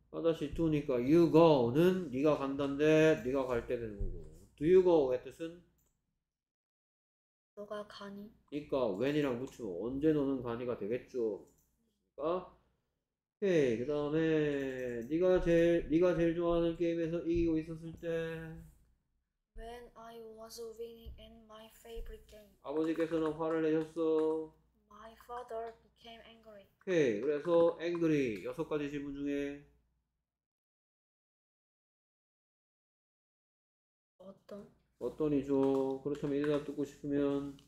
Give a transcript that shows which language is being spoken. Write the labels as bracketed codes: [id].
[ko] 하다시 두니까 [en] you go [ko] 는 네가 간단데 네가 갈 때 되는 거고 [en] do you go [ko] 그 뜻은 너가 가니? 그러니까 when이랑 붙이면 언제 너는 가니가 되겠죠. 그러니까 오케이. 그 다음에 네가 제일 좋아하는 게임에서 이기고 있었을 때 [en] When I was winning in my favorite game [ko] 아버지께서는 화를 내셨어 [en] My father became became angry. [ko] 오케이. 그래서 angry 여섯 가지 질문 중에 어떤? 어떤이죠? 그렇다면 이 대답 듣고 싶으면